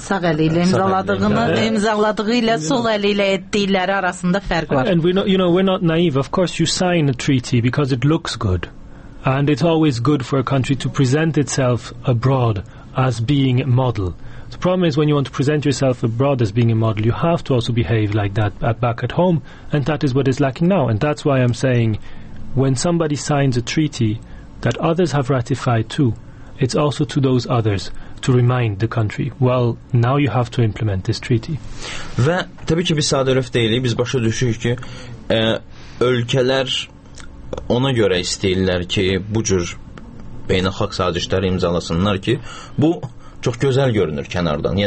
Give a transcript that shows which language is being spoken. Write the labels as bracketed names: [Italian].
[Azerbaijani] sağ əli ilə imzaladığı ilə sol əli ilə etdikləri arasında fərq var. [English] And we're not naive. Of course you sign a treaty because it looks good. And it's always good for a country to present itself abroad as being a model. The problem is when you want to present yourself abroad as being a model, you have to also behave like that back at home, and that is what is lacking now. And that's why I'm saying when somebody signs a treaty that others have ratified too, it's also to those others to remind the country, well, now you have to implement this treaty. [Azerbaijani] Və təbii ki, biz sadə öf deyilik, biz başa düşürük ki, ölkələr ona görə istəyirlər ki, bu cür beynəlxalq sazişləri imzalasınlar ki, bu çox gözəl görünür kənardan.